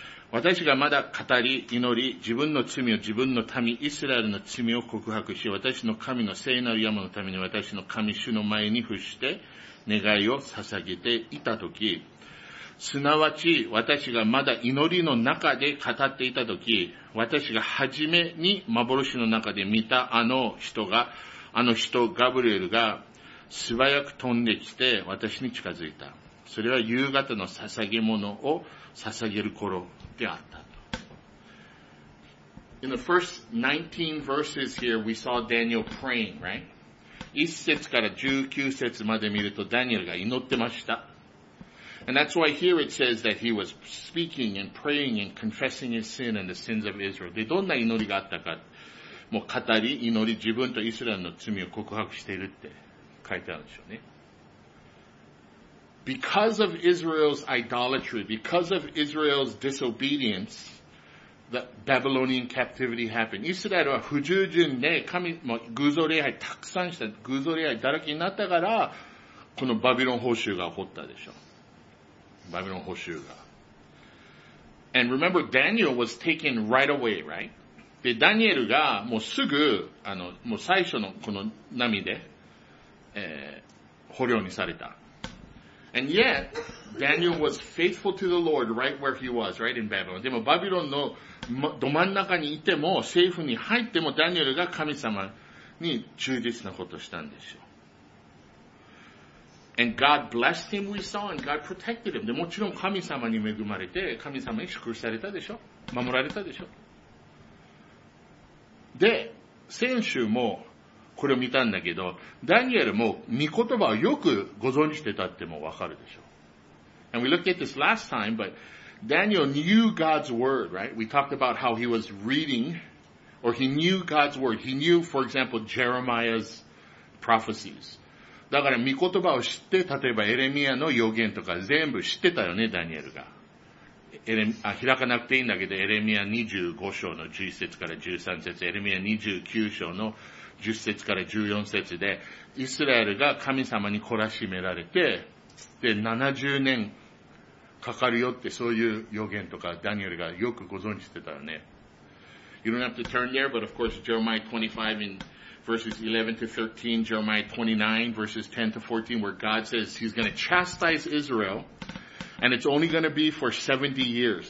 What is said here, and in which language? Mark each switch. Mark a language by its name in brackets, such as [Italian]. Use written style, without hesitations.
[Japanese] 私がまだ語り、祈り、自分の罪を自分の民、イスラエルの罪を告白し、私の神の聖なる山のために私の神主の前に伏して願いを捧げていたとき、すなわち私がまだ祈りの中で語っていたとき、私が初めに幻の中で見たあの人ガブリエルが素早く飛んできて私に近づいた。それは夕方の捧げ物を捧げる頃であったと。 [English] In the first 19 verses here, we saw Daniel praying, right? [Japanese] 1節から19節まで見ると、ダニエルが祈ってました。 [English] And that's why here it says that he was speaking and praying and confessing his sin and the sins of Israel. [Japanese] で、どんな祈りがあったか。もう語り、祈り、自分とイスラエルの罪を告白しているって書いてあるんでしょうね。 [English] Because of Israel's idolatry, because of Israel's disobedience, the Babylonian captivity happened. [Japanese] イスラエルは不従順で神も偶像礼拝たくさんした、偶像礼拝だらけになったから、このバビロン捕囚が起こったでしょ。バビロン捕囚が。 [English] And remember, Daniel was taken right away, right? [Japanese] で、ダニエルがもうすぐ、もう最初のこの波で、捕虜にされた。 [English] And yet, Daniel was faithful to the Lord right where he was, right in Babylon. [Japanese] でもバビロンのど真ん中にいても、政府に入ってもダニエルが神様に忠実なことをしたんですよ。 [English] And God blessed him, we saw, and God protected him. [Japanese] でもちろん神様に恵まれて、神様に祝福されたでしょ。守られたでしょ。で、先週も、これを見たんだけど、ダニエルも御言葉をよくご存じてたってもわかるでしょう。 [English] And we looked at this last time, but Daniel knew God's word, right? We talked about how he was reading, or he knew God's word. He knew, for example, Jeremiah's prophecies. [Japanese] だから御言葉を知って、例えばエレミアの予言とか全部知ってたよね、ダニエルが。開かなくていいんだけど、エレミア25章の11節から13節、エレミア29章の10節から14節で、イスラエルが神様に懲らしめられて、で、70年かかるよって、そういう予言とか、ダニエルがよくご存じてたよね。 [English] You don't have to turn there, but of course, Jeremiah 25 in verses 11 to 13, Jeremiah 29 verses 10 to 14, where God says He's going to chastise Israel, and it's only going to be for 70 years.